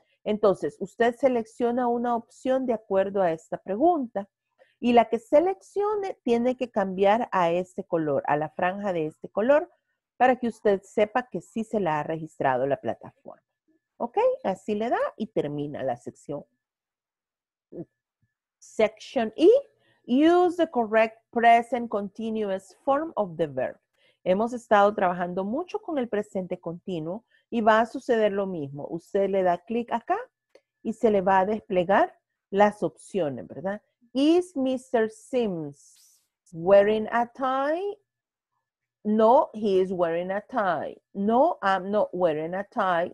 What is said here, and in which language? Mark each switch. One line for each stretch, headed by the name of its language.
Spanish: Entonces, usted selecciona una opción de acuerdo a esta pregunta. Y la que seleccione tiene que cambiar a este color, a la franja de este color, para que usted sepa que sí se la ha registrado la plataforma. ¿Ok? Así le da y termina la sección.
English: Section E, use the correct present continuous form of the verb.
Spanish: Hemos estado trabajando mucho con el presente continuo y va a suceder lo mismo. Usted le da clic acá y se le va a desplegar las opciones, ¿verdad?
English: Is Mr. Sims wearing a tie? No, he is wearing a tie. No, I'm not wearing a tie.